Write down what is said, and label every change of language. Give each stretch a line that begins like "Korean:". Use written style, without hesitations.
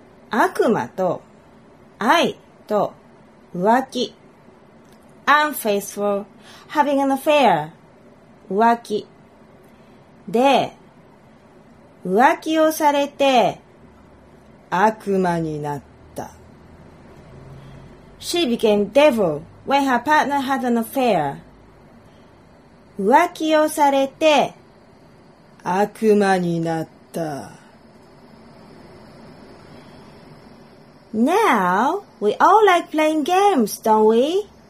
Japanese: 悪魔と愛と浮気。
English: Unfaithful, having an affair. 浮気。
Japanese: で、浮気をされて悪魔になった。
English: She became devil when her partner had an affair.
Japanese: 浮気をされて悪魔になった。
English: Now, we all like playing games, don't we?